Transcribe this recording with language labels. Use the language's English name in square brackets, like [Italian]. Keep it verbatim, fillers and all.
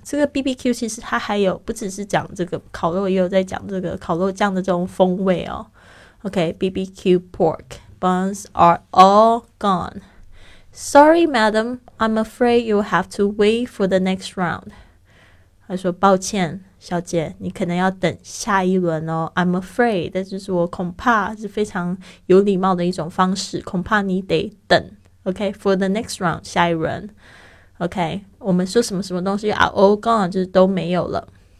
[Chinese] 这个 B B Q 其实它还有不只是讲这个烤肉，也有在讲这个烤肉酱的这种风味哦。 [English] OK, B B Q pork buns are all gone. Sorry, madam, I'm afraid you'll have to wait for the next round. [Chinese] 他说抱歉，小姐，你可能要等下一轮哦。 [English] I'm afraid， [Chinese] 这就是我恐怕，是非常有礼貌的一种方式，恐怕你得等。 [English] OK, for the next round, [Chinese] 下一轮 OK, 我们说什么什么东西 [English] are all gone [Chinese] 就是都没有了。